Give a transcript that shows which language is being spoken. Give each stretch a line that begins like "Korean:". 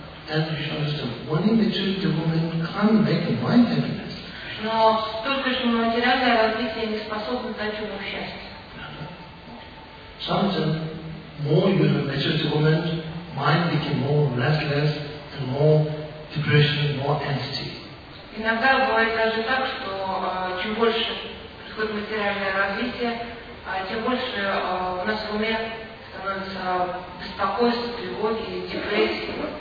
English: And you should understand, only material development can make a mind happiness.
Russian: Но только что материальное развитие не способно дать ему счастье.
English: Sometimes, more you have material development, mind became more restless and more depression, more anxiety.
Russian: Иногда бывает даже так, что чем больше происходит материальное развитие, тем больше у нас в уме становится беспокойство, тревоги, депрессия.